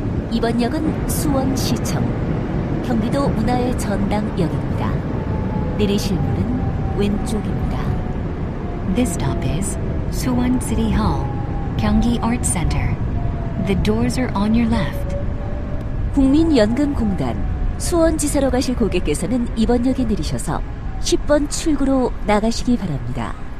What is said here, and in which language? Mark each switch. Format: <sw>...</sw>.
<ko>이번 역은 수원시청, 경기도 문화의 전당역입니다. 내리실 문은 왼쪽입니다.</ko> <en>This stop is Suwon City Hall, Gyeonggi Arts Center. The doors are on your left.</en> <ko>국민연금공단 수원지사로 가실 고객께서는 이번 역에 내리셔서 10번 출구로 나가시기 바랍니다.</ko>